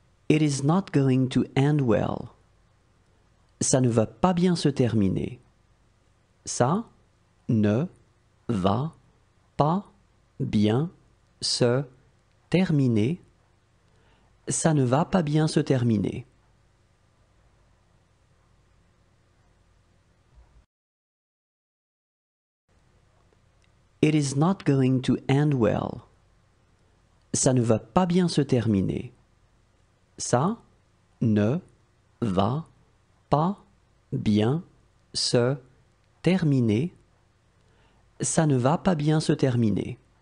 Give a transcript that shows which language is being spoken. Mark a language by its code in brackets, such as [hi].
[en] It is not going to end well. [fr] Ça ne va pas bien se terminer. Ça ne va pas bien se terminer. Ça ne va pas bien se terminer. [en] It is not going to end well. [fr] Ça ne va pas bien se terminer. Ça ne va pas bien se terminer. Ça ne va pas bien se terminer.